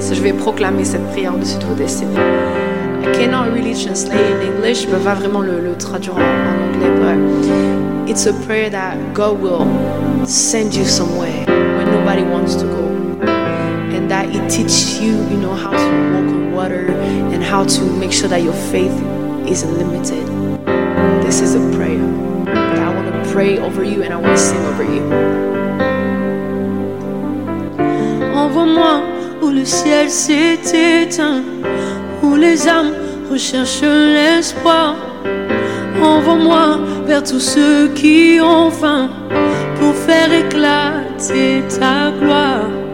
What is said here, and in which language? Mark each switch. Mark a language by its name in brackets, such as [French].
[French] So je vais proclamer cette prière au-dessus de vos destinées. [English] I cannot really translate in English. [French] Je peux pas vraiment le traduire en anglais. [English] But it's a prayer that God will send you somewhere where nobody wants to go, and that it teaches you, you know, how to walk on water and how to make sure that your faith isn't limited. This is a prayer that I want to pray over you and I want to sing over you. [French] Envoie-moi où le ciel s'est éteint, où les âmes recherchent l'espoir. Envoie-moi vers tous ceux qui ont faim pour faire éclater ta gloire.